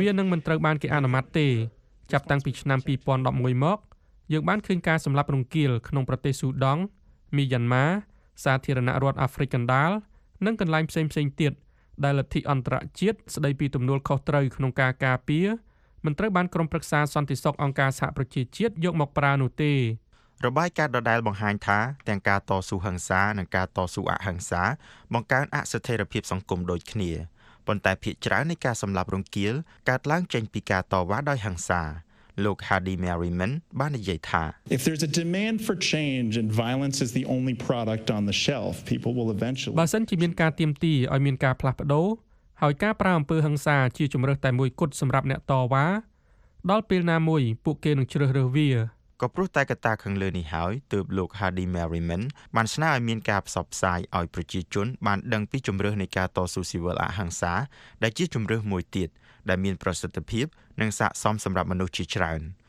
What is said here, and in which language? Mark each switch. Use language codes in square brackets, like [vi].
[km] វានឹងមិនត្រូវបានគេអនុម័តទេចាប់តាំងពីឆ្នាំ2011មកយើងបានឃើញការសម្លាប់រង្គាលក្នុងប្រទេសស៊ូដង់មីយ៉ាន់ម៉ាសាធារណរដ្ឋអាហ្វ្រិកកណ្ដាលនិងកន្លែងផ្សេងៗទៀតដែលលទ្ធិអន្តរជាតិស្ដីពីទំនួលខុសត្រូវក្នុងការការពារមិនត្រូវបានក្រុមប្រឹក្សាសន្តិសុខអង្គការសហប្រជាជាតិយកមកប្រើនោះទេ របាយការណ៍ដដែលបង្ហាញថាទាំងការតស៊ូហិង្សានិងការតស៊ូអហិង្សាបង្កើនអស្ថិរភាពសង្គមដូចគ្នាប៉ុន្តែភាគច្រើននៃការសម្លាប់រង្គាលកើតឡើងចេញពីការតវ៉ាដោយហិង្សាលោក Hadi Merriman បាននិយាយថា [en] If there's a demand for change and violence is the only product on the shelf people will eventually [km] បើសិនជាមានការទាមទារឲ្យមានការផ្លាស់ប្ដូរហើយការប្រើអំពើហិង្សាជាជម្រើសតែមួយគត់សម្រាប់អ្នកតវ៉ាដល់ពេលណាមួយពួកគេនឹងជ្រើសរើសវា ក៏ព្រោះតែកត្តាខាងលើនេះហើយទើបលោក Hadi Merriman បានស្នើឲ្យមានការផ្សព្វផ្សាយឲ្យប្រជាជនបានដឹងពីជំរើសនៃការតស៊ូស៊ីវិលអហិង្សាដែលជាជំរើសមួយទៀតដែលមានប្រសិទ្ធភាពនិងស័ក្តិសមសម្រាប់មនុស្សជាច្រើន